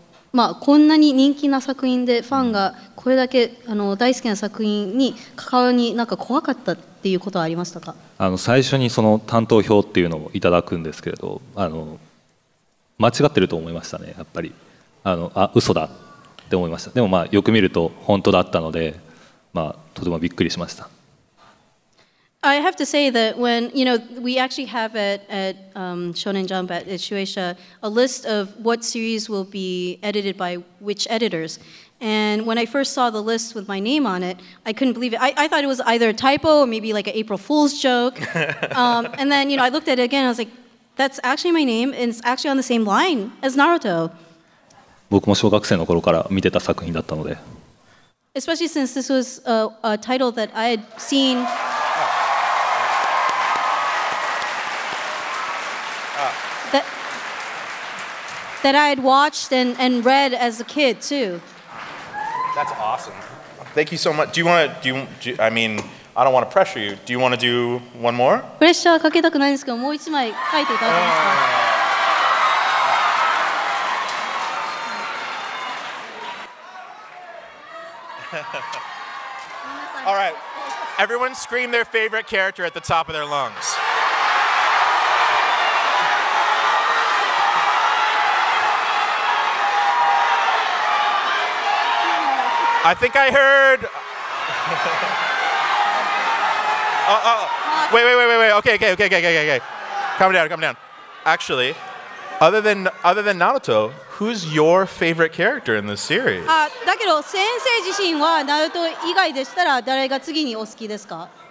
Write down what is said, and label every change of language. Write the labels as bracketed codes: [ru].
[ja] まあ、こんなに人気な作品でファンがこれだけ、大好きな作品に関わりになんか怖かったっていうことはありましたか？あの最初にその担当票っていうのをいただくんですけれど間違ってると思いましたね。やっぱりあ嘘だって思いました。でもまあよく見ると本当だったので、まあ、とてもびっくりしました。 [en] I have to say that when, you know, we actually have it at Shonen Jump at Shueisha, a list of what series will be edited by which editors. And when I first saw the list with my name on it, I couldn't believe it. I thought it was either a typo or maybe like an April Fool's joke. and then, you know, I looked at it again, and I was like, that's actually my name, and it's actually on the same line as Naruto. [ja] 僕も小学生の頃から見てた作品だったので。 [en] Especially since this was a title that I had seen... that I had watched and read as a kid too. That's awesome. Thank you so much. Do you want to I mean, I don't want to pressure you. Do you want to do one more? [ja] プレッシャーかけたくないんですけど、もう一枚書いていただけますか？ [en] All right. Everyone scream their favorite character at the top of their lungs. I think I heard. Wait. Okay. Calm down. Actually, other than Naruto, who's your favorite character in this series? [ja] だけど先生自身はナルト以外でしたら誰が次にお好きですか？